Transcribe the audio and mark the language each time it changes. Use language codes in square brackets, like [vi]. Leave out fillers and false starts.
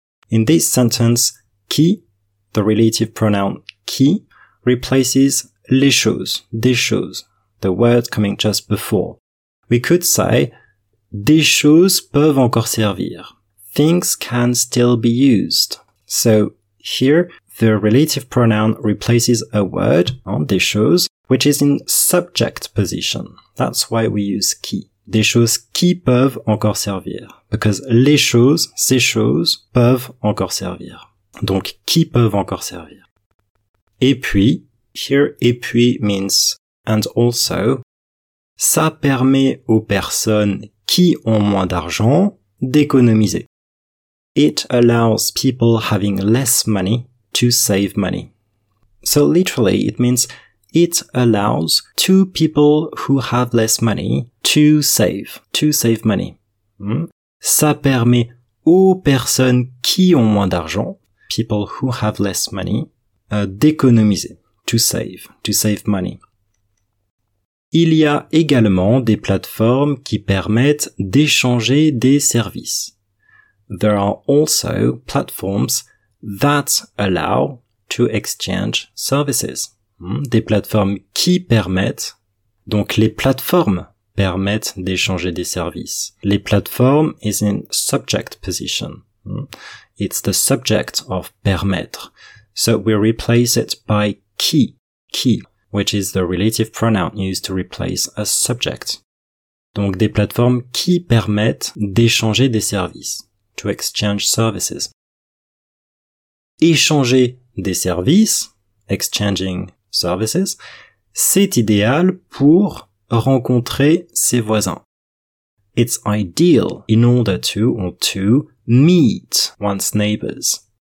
[en] In this sentence, qui, the relative pronoun qui, replaces [fr] les choses, des choses, [en] the word coming just before. We could say, [fr] des choses peuvent encore servir. [en] Things can still be used. So, here, the relative pronoun replaces a word, des choses, which is in subject position. That's why we use qui. [fr] Des choses qui peuvent encore servir. Because les choses, ces choses, peuvent encore servir. Donc, qui peuvent encore servir. Et puis, [en] here, [fr] et puis [en] means and also. [fr] Ça permet aux personnes qui ont moins d'argent d'économiser. [en] It allows people having less money to save money. So literally, it means it allows two people who have less money to save money. [fr] Ça permet aux personnes qui ont moins d'argent, [en] people who have less money, [fr] d'économiser, [en] to save money. [fr] Il y a également des plateformes qui permettent d'échanger des services. [en] There are also platforms that allow to exchange services. [fr] Des plateformes qui permettent, donc les plateformes permettent d'échanger des services. [en] Les plateformes is in subject position. It's the subject of permettre. So we replace it by qui, which is the relative pronoun used to replace a subject. [fr] Donc des plateformes qui permettent d'échanger des services. [en] To exchange services. [fr] Échanger des services, [en] exchanging services, [fr] c'est idéal pour rencontrer ses voisins. [en] It's ideal in order to or to meet one's neighbors.